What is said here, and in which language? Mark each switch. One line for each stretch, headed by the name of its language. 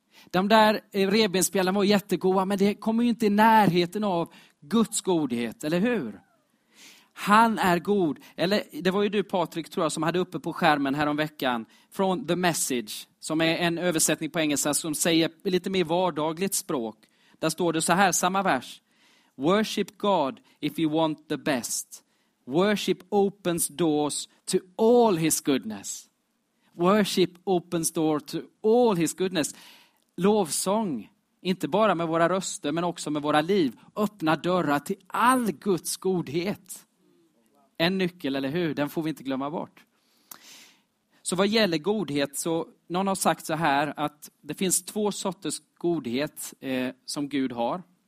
Swedish: De där revbensspjällarna var jättegoda, men det kommer ju inte i närheten av Guds godhet, eller hur? Han är god. Eller det var ju du, Patrik, tror jag, som hade uppe på skärmen här om veckan från The Message, som är en översättning på engelska som säger lite mer vardagligt språk. Där står det så här, samma vers.
English: Worship God if you want the best. Worship opens doors to all his goodness. Worship opens door to all his goodness.
Swedish: Lovsång, inte bara med våra röster men också med våra liv, öppna dörrar till all Guds godhet. En nyckel, eller hur? Den får vi inte glömma bort. Så vad gäller godhet, så någon har sagt så här att det finns två sorters godhet som Gud har.